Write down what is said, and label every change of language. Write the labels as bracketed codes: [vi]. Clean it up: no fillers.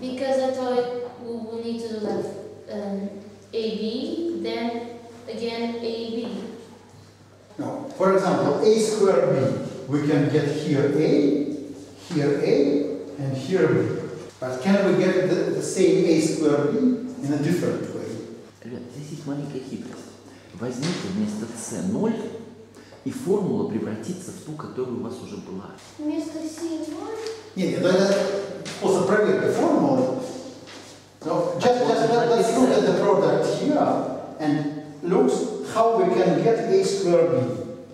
[en] Because I thought we need to do like AB, then again AB. No. For example, A square B. We can get here A, here A, and here B. But But can we get the same a squared b in a different way? [ru] Ребят, здесь есть маленькая хитрость. Возьмите вместо c 0, и формула превратится в ту, которая у вас уже была. Вместо c 0? Нет, нет, это способ проверки формулы. [en] So just let's look at the product here and look how we can get a squared b.